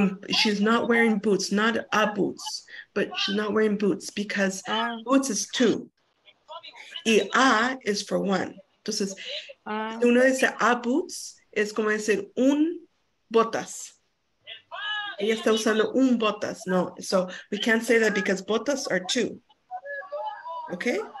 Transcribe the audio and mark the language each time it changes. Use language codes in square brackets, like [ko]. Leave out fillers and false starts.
[en] She's not wearing boots, not a boots, but she's not wearing boots because boots is two. Y a is for one. [es] Entonces, si uno dice [en] a boots, [es] es como decir un botas. Ella está usando un botas. [en] No, so we can't say that because botas are two. Okay?